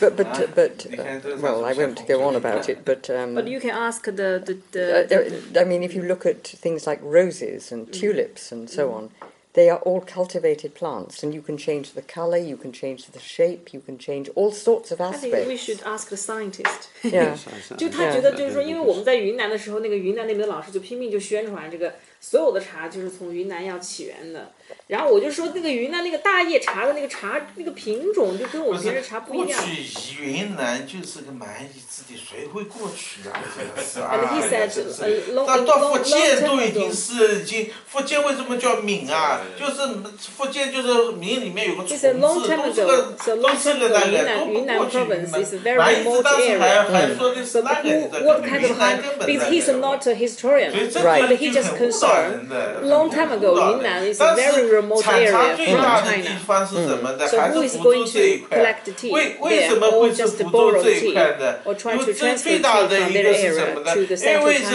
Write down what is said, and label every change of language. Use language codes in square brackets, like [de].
[en] But I won't go on about it. But you can ask the I mean, if you look at things like roses and tulips and so on. They are all cultivated plants, and you can change the color, you can change the shape, you can change all sorts of aspects. I think we should ask the scientist. Yeah. [zh] 就他觉得就是说，因为我们在云南的时候，那个云南那边的老师就拼命就宣传这个所有的茶就是从云南要起源的。然后我就说，那个云南那个大叶茶的那个茶那个品种就跟我们平时茶不一样。过去云南就是个蛮夷之地，谁会过去啊？是啊。 [en] And he said, long time ago. [zh] 到福建都已经是已经，福建为什么叫闽啊？就是福建就是闽里面有个虫子，都是个都是个那个，都过去云南。蛮夷之当时还说的是那个云南根本的。 [en] Because he's not a historian, right? But he just concerned. Long time ago, Yunnan is a very remote area from China. So who is going to collect the tea? There, or just borrow the tea, or try to transfer the tea from their area to the central China?